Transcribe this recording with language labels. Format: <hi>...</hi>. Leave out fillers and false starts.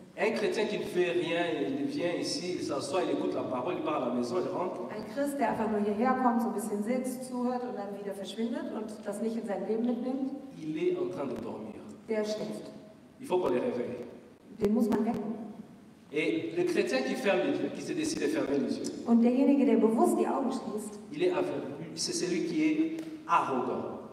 <fr>Un chrétien qui ne fait rien, il vient ici, il s'assoit, il écoute la parole, il part à la maison, il rentre.</fr> <de>Ein Christ, der einfach nur hierher kommt, so ein bisschen sitzt, zuhört und dann wieder verschwindet und das nicht in sein Leben mitnimmt.</de> <fr>Il est en train de dormir.</fr> <de>Der schläft.</de> <fr>Il faut qu'on le réveille.</fr> <de>Den muss man wecken.</de> <fr>Et le chrétien qui ferme les yeux, qui se décide de fermer les yeux.</fr> <de>Und derjenige, der bewusst die Augen schließt.</de> <fr>Il est aveugle. C'est celui qui est arrogant.</fr>